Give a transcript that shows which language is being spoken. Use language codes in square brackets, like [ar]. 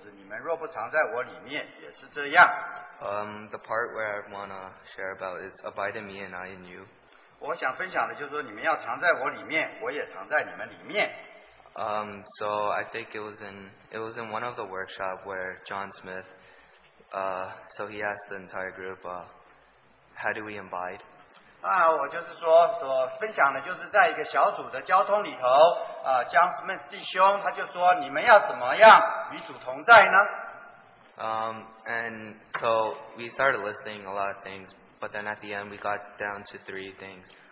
[zh] 你们要藏在我里面，我也藏在你们里面。枝子若不藏在葡萄树上，自己就不能结果子。你们若不藏在我里面，也是这样。 [en] The part where I want to share about is abide in me and I in you. [zh] 我想分享的就是说，你们要藏在我里面，我也藏在你们里面。 [en] So I think it was in one of the workshops where John Smith, so he asked the entire group, how do we abide? [zh] 我就是说所分享的就是在一个小组的交通里头，John Smith 弟兄他就说，你们要怎么样与主同在呢？ [en] And so we started listing a lot of things, but then at the end we got down to three things.